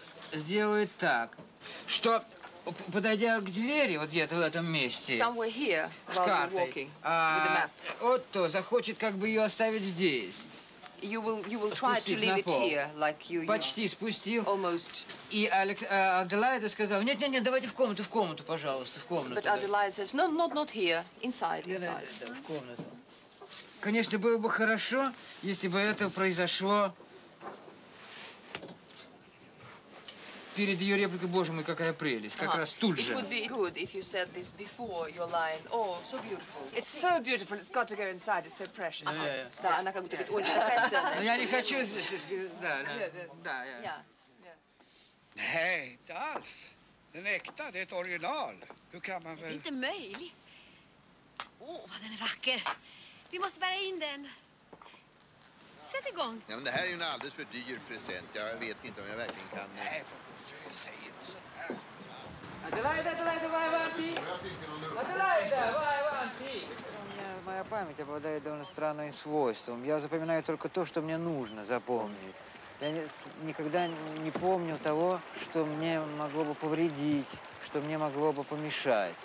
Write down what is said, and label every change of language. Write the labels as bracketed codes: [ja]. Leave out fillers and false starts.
[ru] Сделает так, что, подойдя к двери, вот где-то в этом месте... [en] Somewhere here, while you're walking, with the map. [ru] Отто захочет как бы ее оставить здесь. [en] You will try to leave it here, like you. [ru] Почти спустил. [en] Almost. [ru] И Аделаида сказала: нет, давайте в комнату, пожалуйста, в комнату. [en] But Adelaide says, not here, inside. [ru] В комнату. Конечно, было бы хорошо, если бы это произошло перед ее репликой. Боже мой, какая прелесть! Как раз тут же. [en] It would be good if you said this before your line. Oh, so beautiful! It's so beautiful. It's got to go inside. It's so precious. Yes. Yes. [ru] Да, она как будто говорит, ой, какая ценность. Я не хочу здесь. Да. Нет, это [sv] alls. Den äkta, det är ett original. Hur kan man väl? Inte möjligt. Åh, vad den är vacker. Vi måste bära in den. Sätt igång. Ja, men det här är ju en alldeles för dyr present. Jag vet inte om jag verkligen kan. Nej. [ru] У меня память обладает довольно странным свойством. Я запоминаю только то, что мне нужно запомнить. Я никогда не помню того, что мне могло бы повредить, что мне могло бы помешать.